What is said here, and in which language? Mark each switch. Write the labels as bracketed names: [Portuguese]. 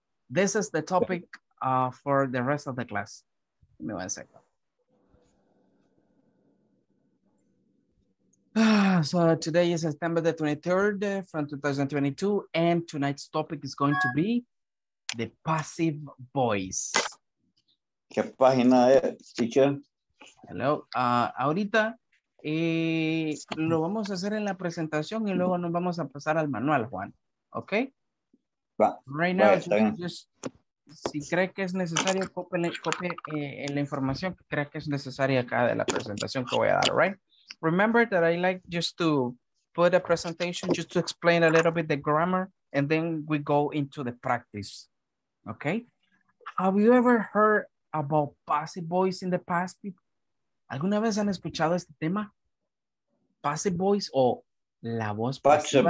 [English] This is the topic for the rest of the class. Give me one second. So today is September the 23rd from 2022, and tonight's topic is going to be the passive voice. [Spanish] ¿Qué página es, teacher? [English] Hello. [Spanish] Ahorita lo vamos a hacer en la presentación y luego nos vamos a pasar al manual, Juan. ¿Ok? Va. [English] Right now, [Spanish] si cree que es necesario, copie la información que cree que es necesaria acá de la presentación que voy a dar, right? [English] Remember that I like just to put a presentation just to explain a little bit the grammar, and then we go into the practice, okay? Have you ever heard about passive voice in the past? [Spanish] ¿Alguna vez han escuchado este tema? Passive voice o la voz pasiva?